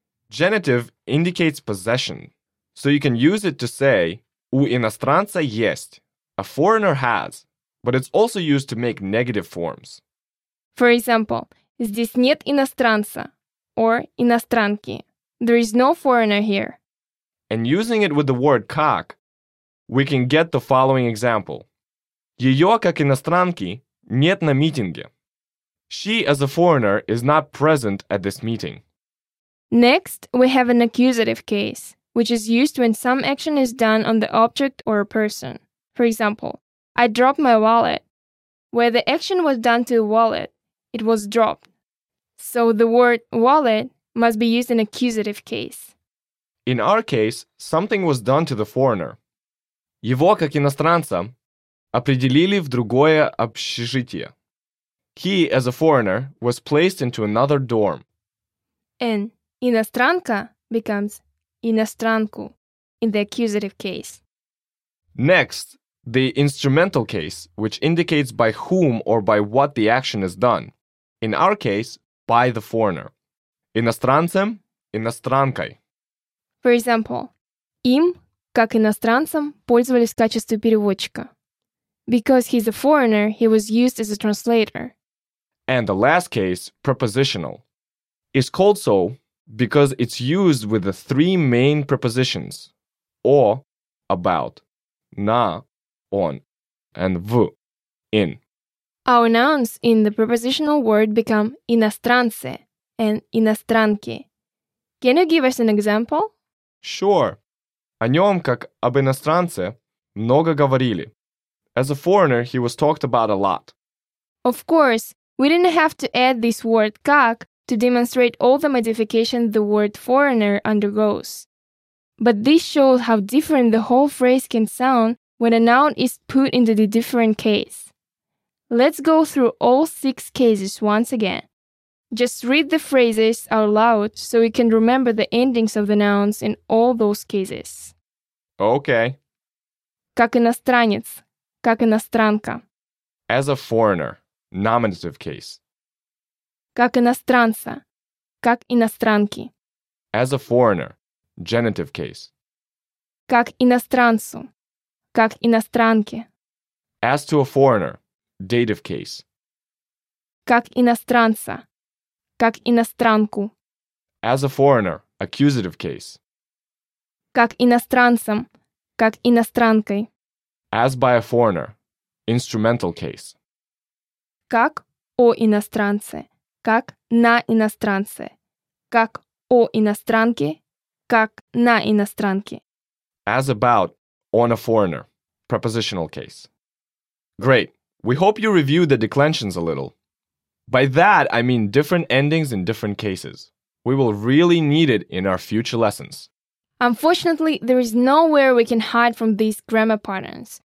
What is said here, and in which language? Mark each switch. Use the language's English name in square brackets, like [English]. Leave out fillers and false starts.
[English] Genitive indicates possession, so you can use it to say [Russian] у иностранца есть, [English] a foreigner has, but it's also used to make negative forms. For example, [Russian] здесь нет иностранца [English] or иностранки. There is no foreigner here. And using it with the word как, we can get the following example. [Russian] Ее как иностранки нет на митинге. [English] She as a foreigner is not present at this meeting. Next, we have an accusative case, which is used when some action is done on the object or a person. For example, I dropped my wallet. Where the action was done to a wallet, it was dropped. So the word wallet must be used in accusative case. In our case, something was done to the foreigner. [Russian] Его как иностранца определили в другое общежитие. [English] He, as a foreigner, was placed into another dorm. And иностранка becomes иностранку in the accusative case. Next, the instrumental case, which indicates by whom or by what the action is done. In our case, by the foreigner. Иностранцем, иностранкой. For example, [Russian] им, как иностранцам, пользовались в качестве переводчика. [English] Because he's a foreigner, he was used as a translator. And the last case, prepositional, is called so because it's used with the three main prepositions, or, about, на, on, and в, in. Our nouns in the prepositional word become иностранцы and иностранки. Can you give us an example? Sure. [Russian] О нем, как об иностранце, много говорили. [English] As a foreigner, he was talked about a lot. Of course, we didn't have to add this word как to demonstrate all the modification the word foreigner undergoes. But this shows how different the whole phrase can sound when a noun is put into the different case. Let's go through all six cases once again. Just read the phrases out loud so you can remember the endings of the nouns in all those cases. Okay. [Russian] Как иностранец, как иностранка. [English] As a foreigner, nominative case. [Russian] Как иностранца, как иностранки. [English] As a foreigner, genitive case. [Russian] Как иностранцу, как иностранке. [English] As to a foreigner, dative case. [Russian] Как иностранца, как иностранку. [English] As a foreigner, accusative case. [Russian] Как иностранцам, как иностранкой. [English] As by a foreigner, instrumental case. [Russian] Как о иностранце, как на иностранце. Как о иностранке, как на иностранке. [English] As about, on a foreigner, prepositional case. Great. We hope you review the declensions a little. By that, I mean different endings in different cases. We will really need it in our future lessons. Unfortunately, there is nowhere we can hide from these grammar patterns.